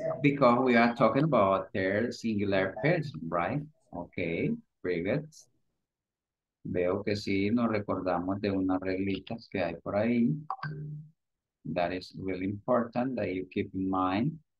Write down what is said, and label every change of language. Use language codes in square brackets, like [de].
[en] Because we are talking about their singular person, right? Okay, very good. [es] Veo que sí nos recordamos de unas reglitas que hay por ahí. [en] That is really important that you keep in mind.